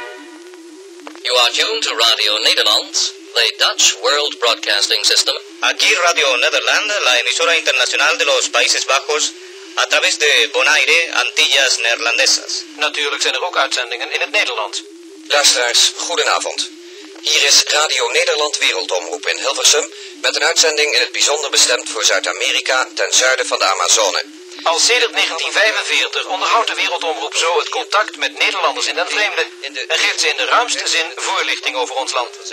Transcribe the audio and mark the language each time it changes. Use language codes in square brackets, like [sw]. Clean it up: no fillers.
[en] You are tuned to Radio Nederland, the Dutch World Broadcasting System. [es] Aquí Radio Nederland, la emisora internacional de los Países Bajos, a través de Bonaire, Antillas Neerlandesas. [nl] Natuurlijk zijn er ook uitzendingen in het Nederlands. Luisteraars, goedenavond. Hier is Radio Nederland Wereldomroep in Hilversum met een uitzending in het bijzonder bestemd voor Zuid-Amerika ten zuiden van de Amazone. Al sedert 1945 onderhoudt de Wereldomroep zo het contact met Nederlanders in den vreemde en geeft ze in de ruimste zin voorlichting over ons land.